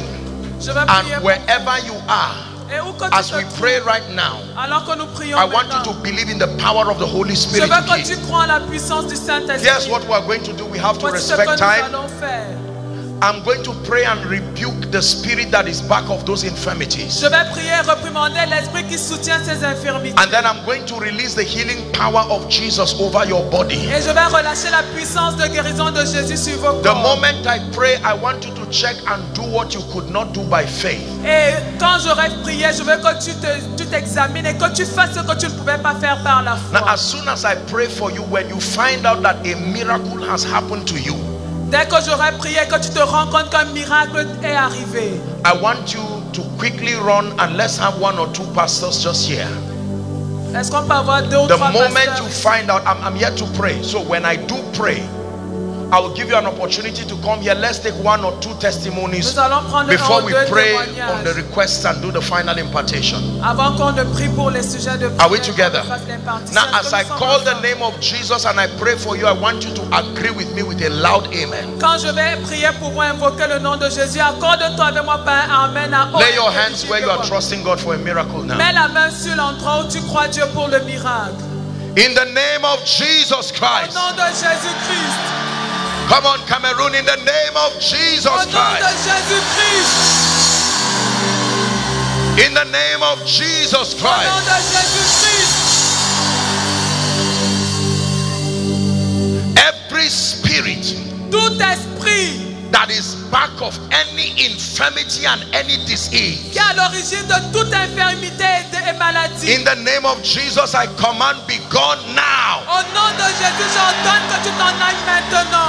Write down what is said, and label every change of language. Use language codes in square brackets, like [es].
[en] And wherever you are, as we pray right now, I want you to believe in the power of the Holy Spirit. Here's what we're going to do. We have to respect time. I'm going to pray and rebuke the spirit that is back of those infirmities. [fr] Je vais prier, reprimander l'esprit qui soutient ces infirmités. [en] And then I'm going to release the healing power of Jesus over your body. [fr] Et je vais relâcher la puissance de guérison de Jésus sur vos corps. [en] The moment I pray, I want you to check and do what you could not do by faith. [fr] Et quand j'aurai prié, je veux que tu t'examines et que tu fasses ce que tu ne pouvais pas faire par la foi. [en] Now, as soon as I pray for you, when you find out that a miracle has happened to you, [fr] dès que j'aurai prié, que tu te rends compte qu'un miracle est arrivé. [en] I want you to quickly run and let's have one or two pastors just here. [fr] Est-ce qu'on peut avoir deux ou [en] the [fr] trois [en] moment pastors? You find out, I'm yet to pray. So when I do pray, I will give you an opportunity to come here. Let's take one or two testimonies before we pray on the requests and do the final impartation. [fr] Avant qu'on ne prie pour les sujets de prière, [en] are we together? Now, as I call the name of Jesus and I pray for you, I want you to agree with me with a loud amen. [fr] Quand je vais prier pour moi, invoquer le nom de Jésus, accorde-toi avec moi par un amen. [en] Lay your hands where you are trusting God for a miracle now. [fr] Mets la main sur l'endroit où tu crois Dieu pour le miracle. [en] In the name of Jesus Christ. [fr] Au nom de Jésus Christ. [en] Come on, Cameroon, in the name of Jesus Christ. [fr] Au nom de Jésus Christ. [en] In the name of Jesus Christ. [fr] Au nom de Jésus Christ. [en] Every spirit. [fr] Tout esprit. [en] That is back of any infirmity and any disease. [fr] Qui est à l'origine de toute infirmité et de maladie. [en] In the name of Jesus, I command, be gone now. [fr] Au nom de Jésus, j'ordonne que tu t'en ailles maintenant.